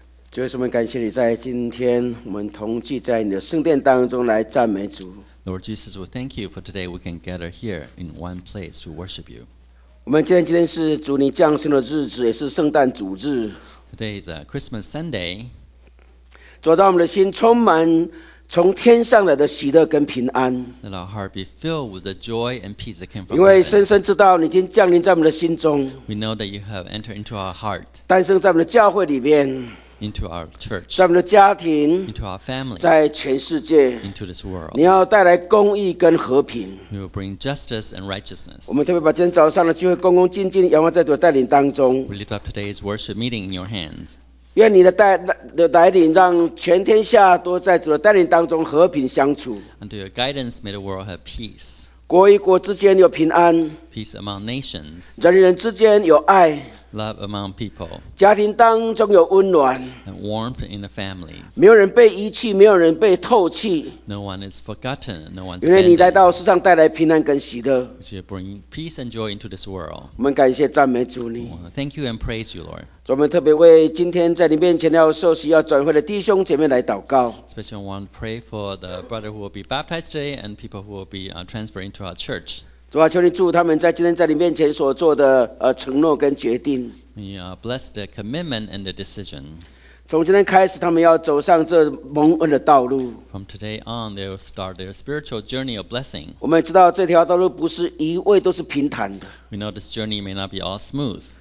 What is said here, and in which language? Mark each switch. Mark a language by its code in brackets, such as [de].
[zh] 主耶稣，我们感谢你在今天，我们同聚在你的圣殿当中来赞美主。 [en] Lord Jesus, we thank you for today. We can gather here in one place to worship you. [zh] 我们今天是主你降生的日子，也是圣诞主日。 [en] Today is a Christmas Sunday. [zh] 主，让我们的心充满从天上来的喜乐跟平安。 [en] Let our heart be filled with the joy and peace that came from heaven. [zh] 因为深深知道你已经降临在我们的心中。 [en] We know that you have entered into our heart. [zh] 诞生在我们的教会里面。 [en] Into our church. [zh] 在我们的家庭。 [en] Into our family. [zh] 在全世界。 [en] Into this world. [zh] 你要带来公义跟和平。 [en] We will bring justice and righteousness. [zh] 我们特别把今天早上的聚会恭恭敬敬仰望在主的带领当中。 [en] We lift up today's worship meeting in your hands. [zh] 愿你的带领让全天下都在主的带领当中和平相处。 [en] Under your guidance, may the world have peace. [zh] 国与国之间有平安。 [en] Peace among nations. [zh] 人与人之间有爱。 [en] Love among people. [zh] 家庭当中有温暖。 [en] And warmth in the families. [zh] 没有人被遗弃，没有人被唾弃。 [en] No one is forgotten. No one's abandoned. [zh] 因为你来到世上带来平安跟喜乐。 [en] You bring peace and joy into this world. [zh] 我们感谢赞美主你。 [en] Thank you and praise you, Lord. [zh] 我们特别为今天在你面前要受洗、要转会的弟兄姐妹来祷告。 [en] Especially want to pray for the brother who will be baptized today and people who will be transferred into our church. [zh] 主啊，求你祝他们在今天在你面前所做的承诺跟决定。 [en] May you bless the commitment and the decision. [zh] 从今天开始，他们要走上这蒙恩的道路。 [en] From today on, they will start their spiritual journey of blessing. [zh] 我们知道这条道路不是一味都是平坦的。 [en] We know this journey may not be all smooth.